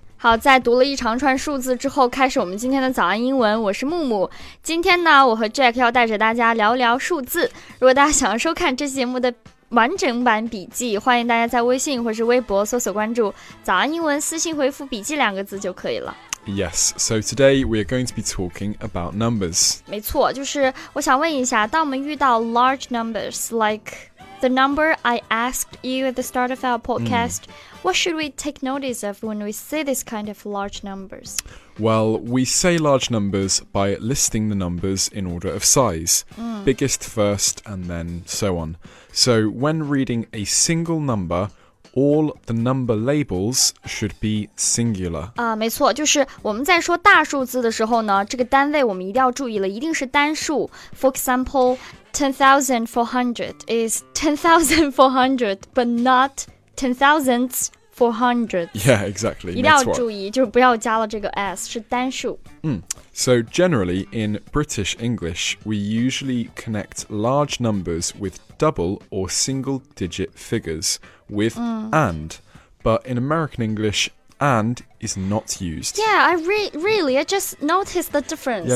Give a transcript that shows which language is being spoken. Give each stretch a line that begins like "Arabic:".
Chinese: 好，在读了一长串数字之后，开始我们今天的早安英文。我是木木。今天呢，我和 Jack 要带着大家聊聊数字。如果大家想要收看这期节目的完整版笔记，欢迎大家在微信或是微博搜索关注早安英文，私信回复笔记两个字就可以了。
English: Yes, so today we are going to be talking about numbers.
Chinese: 没错，就是我想问一下，当我们遇到
English: large numbers like the number I asked you at the start of our podcast、what should we take notice of when we see this kind of large numbers? Well, we say large numbers by listing the numbers in order of size、biggest first and then so onSo when reading a single number, all the number labels should be singular.
Chinese: 没错，就是我们在说大数字的时候呢，这个单位我们一定要注意了，一定是单数。
English: For example, 10,400 is 10,400, but not 10,400. Yeah, exactly.
Chinese: 一定要注意，就是不要加了这个 s, 是单数。
English: So generally, in British English, we usually connect large numbers with double or single digit figures with、and. But in American English, and is not used. Yeah, I just noticed the difference.